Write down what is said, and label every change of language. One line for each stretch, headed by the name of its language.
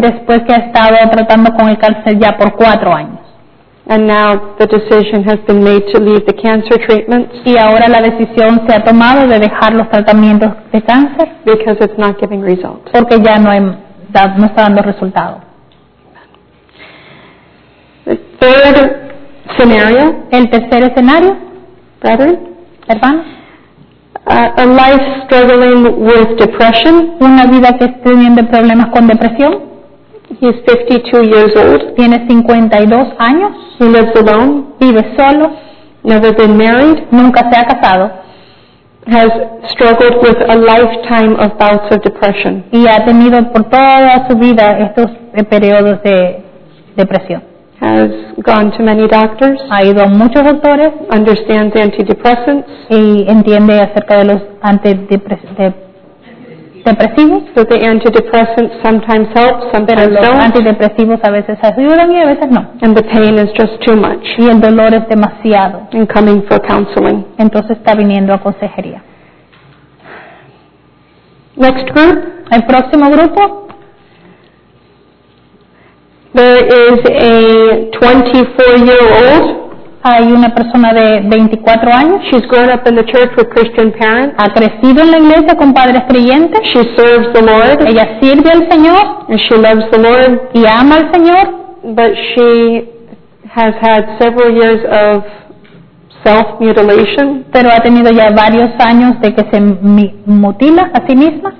Spanish: Después que ha estado tratando con el cáncer ya por 4 años.
English: And now the decision has been made to leave the cancer treatments.
Spanish: Y ahora la decisión se ha tomado de dejar los tratamientos de cáncer.
English: Because it's not giving results.
Spanish: Porque ya no está dando resultado.
English: The third scenario.
Spanish: El tercer escenario.
English: Brother.
Spanish: Hermano.
English: A life struggling with depression.
Spanish: Una vida que está teniendo problemas con depresión.
English: He's 52 years old.
Spanish: Tiene 52 años.
English: He lives alone.
Spanish: Vive solo.
English: Never been married.
Spanish: Nunca se ha casado.
English: Has struggled with a lifetime of bouts of depression.
Spanish: Y ha tenido por toda su vida estos periodos de depresión.
English: Has gone to many doctors.
Spanish: Ha ido a muchos doctores.
English: Understands antidepressants.
Spanish: Y entiende acerca de los antidepresivos.
English: So the antidepressants sometimes help, sometimes
Spanish: pero los
English: don't.
Spanish: Antidepresivos a veces ayudan y a veces no.
English: And the pain is just too much.
Spanish: Y el dolor es demasiado.
English: And coming for counseling.
Spanish: Entonces está viniendo a consejería.
English: Next group.
Spanish: El próximo grupo.
English: There is a 24-year-old.
Spanish: Hay una persona de 24 años.
English: She's grown up in the church with Christian parents.
Spanish: Ha crecido en la iglesia con padres creyentes.
English: She serves the Lord.
Spanish: Ella sirve al Señor.
English: And she loves the Lord.
Spanish: Y ama al Señor.
English: But she has had several years of self-mutilation.
Spanish: Pero ha tenido ya varios años de que se mutila a sí misma.